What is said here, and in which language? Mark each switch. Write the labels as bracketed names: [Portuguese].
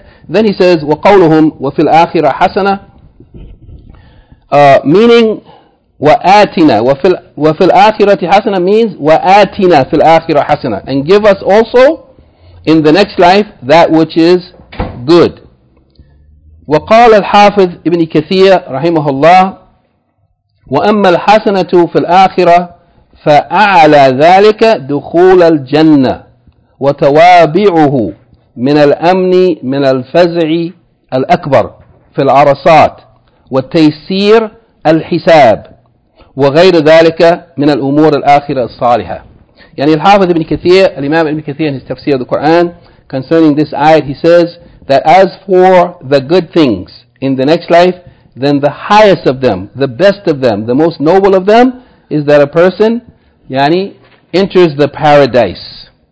[English] Then he says, [Arabic] وَقَوْلُهُمْ وَفِي الْآخِرَةِ حَسَنَةً [English] meaning, [Arabic] وَآتِنَا وَفِي الْآخِرَةِ حَسَنَةً [English] means, [Arabic] وَآتِنَا فِي الْآخِرَةِ حَسَنَةً [English] and give us also, in the next life, that which is good. [Arabic] وَقَالَ الْحَافِظِ ابن كثير رحمه الله وَأَمَّا الْحَسَنَةُ فِي الْآخِرَةِ فَأَعْلَى ذَلِكَ دُخُولَ الْجَنَّةِ وتوابعه من الأمن من الفزع الأكبر في العرصات والتيسير الحساب وغير ذلك من الأمور الآخرة الصالحة. [English] يعني الحافظ ابن كثير, الإمام ابن كثير in his tafsir of the Quran concerning this ayat, he says that as for the good things in the next life, then the highest of them, the best of them, the most noble of them is that a person, يعني, enters the paradise.